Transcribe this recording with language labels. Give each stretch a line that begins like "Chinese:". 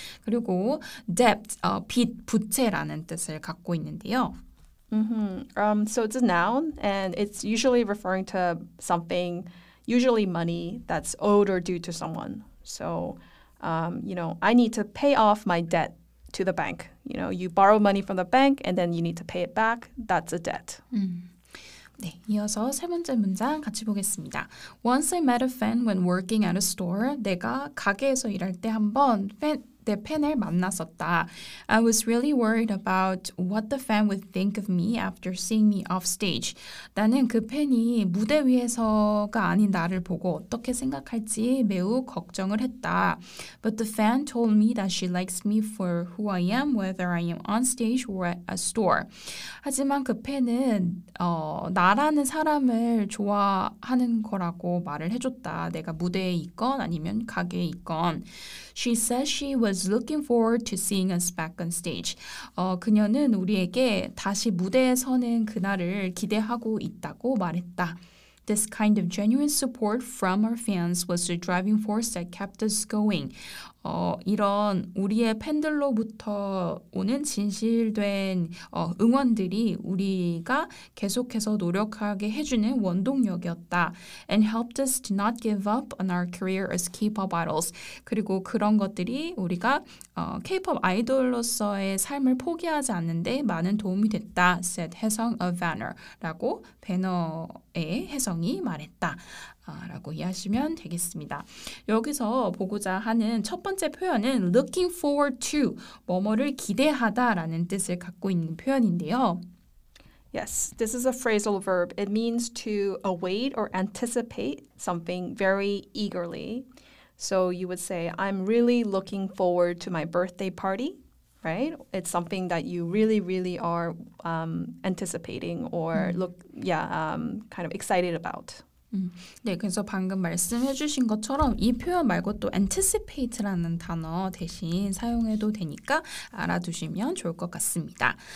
Korean: 그리고 debt, 빚, 부채라는 뜻을 갖고 있는데요. Mm-hmm.
English: So it's a noun and it's usually referring to something, usually money that's owed or due to someone. So you know, I need to pay off my debt to the bank. You know, you borrow money from the bank and then you need to pay it back. That's a debt.
Korean: 네, 이어서 세 번째 문장 같이 보겠습니다.
English: Once I met a fan when working at a store,
Korean: 내가 가게에서 일할 때 한번 내 팬을 만났었다.
English: I was really worried about what the fan would think of me after seeing me off stage.
Korean: 나는 그 팬이 무대 위에서가 아닌 나를 보고 어떻게 생각할지 매우 걱정을 했다.
English: But the fan told me that she likes me for who I am, whether I am on stage or at a store.
Korean: 하지만 그 팬은 나라는 사람을 좋아하는 거라고 말을 해줬다. 내가 무대에 있건 아니면 가게에 있건.
English: She says she was looking forward to seeing us back on stage.
Korean: 그녀는 우리에게 다시 무대에 서는 그날을 기대하고 있다고 말했다.
English: This kind of genuine support from our fans was the driving force that kept us going.
Korean: 이런 우리의 팬들로부터 오는 진실된 응원들이 우리가 계속해서 노력하게 해주는 원동력이었다.
English: And helped us to not give up on our career as K-pop idols.
Korean: 그리고 그런 것들이 우리가 K-pop 아이돌로서의 삶을 포기하지 않는 데 많은 도움이 됐다. Said 혜성 of Banner 라고 배너의 혜성이 말했다. 라고 이해하시면 되겠습니다. 여기서 보고자 하는 첫 번째 표현은
English: looking forward to,
Korean: 뭐뭐를 기대하다 라는 뜻을 갖고 있는 표현인데요.
English: Yes, this is a phrasal verb. It means to await or anticipate something very eagerly. So you would say, I'm really looking forward to my birthday party, right? It's something that you really, really are anticipating or look, kind of excited about.
Korean: 네, 그래서 방금 말씀해 주신 것처럼 이 표현 말고 또 anticipate라는 단어 대신 사용해도 되니까 알아두시면 좋을 것 같습니다.